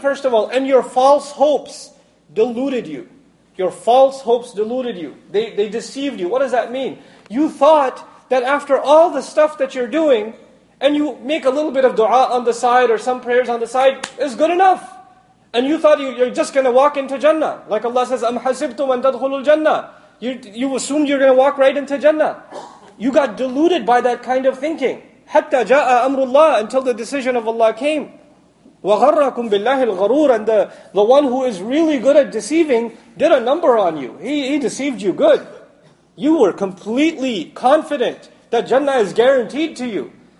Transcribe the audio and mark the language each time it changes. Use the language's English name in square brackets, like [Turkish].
[English] First of all, and your false hopes deluded you. Your false hopes deluded you. They deceived you. What does that mean? You thought that after all the stuff that you're doing, and you make a little bit of dua on the side or some prayers on the side, is good enough. And you thought you're just going to walk into Jannah. Like Allah says, [Arabic] أَمْ حَسِبْتُمْ أَن تَدْخُلُوا الْجَنَّةِ. [English] You assumed you're going to walk right into Jannah. You got deluded by that kind of thinking. [Arabic] حَتَّى جَاءَ أَمْرُ اللَّهِ. [English] Until the decision of Allah came. [Arabic] وَغَرَّكُمْ بِاللَّهِ الْغَرُورِ. [English] And the one who is really good at deceiving did a number on you. He deceived you good. You were completely confident that Jannah is guaranteed to you.